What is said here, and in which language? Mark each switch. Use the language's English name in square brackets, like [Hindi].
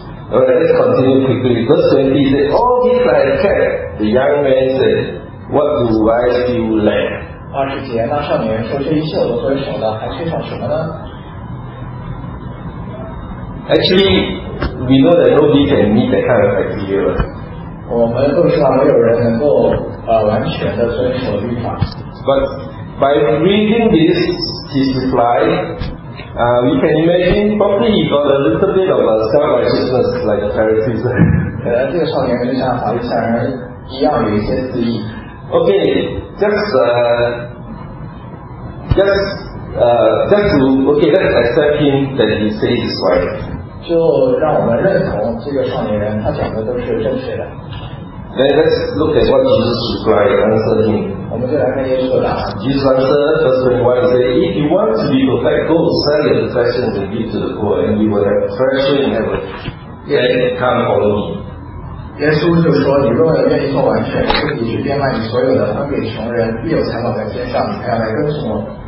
[English] Alright, let's continue quickly. Verse 20 says, all this I kept, the young man said, what do I still lack? [Chinese] 二十节，那少年说，这一切我都遵守了，还缺少什么呢？ [English] Actually, we know that nobody can meet that kind of criteria. [Chinese] 我们都知道没有人能够完全的遵守律法。 [English] But by reading this, his reply, we can imagine probably he got a little bit of a self-righteousness like the Pharisees. [Chinese] 可能这个少年就像法利赛人一样有一些自义。 [English] Okay, just let's accept him that he says is right. [Chinese] 就让我们认同这个少年人，他讲的都是正确的。 [English] Then let's look at what Jesus replied, answered him. [Chinese] 我们就来看耶稣的答案。 [English] Jesus answered, verse 21, he said, if you want to be perfect, go sell your possessions and give to the poor, and you will have treasure in heaven. Then come follow me. [Chinese] 耶稣就说，你若愿意做完全，就必须变卖你所有的，分给穷人，必有财宝在天上，你还要来跟从我。